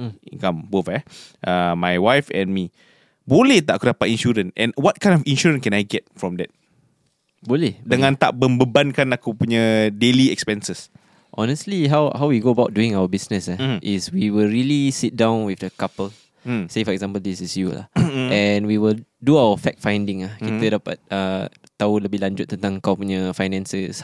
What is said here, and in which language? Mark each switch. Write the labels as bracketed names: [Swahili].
[English] Income both my wife and me. [Malay] Boleh tak aku dapat insurance? [English] And what kind of insurance can I get from that? [Malay] Boleh. Dengan boleh tak membebankan aku punya [English] daily expenses. Honestly, how we go about doing our business is we will really sit down with the couple. Say for example, this is you lah. And we will do our fact finding lah. [Malay] Kita dapat tahu lebih lanjut tentang kau punya finances.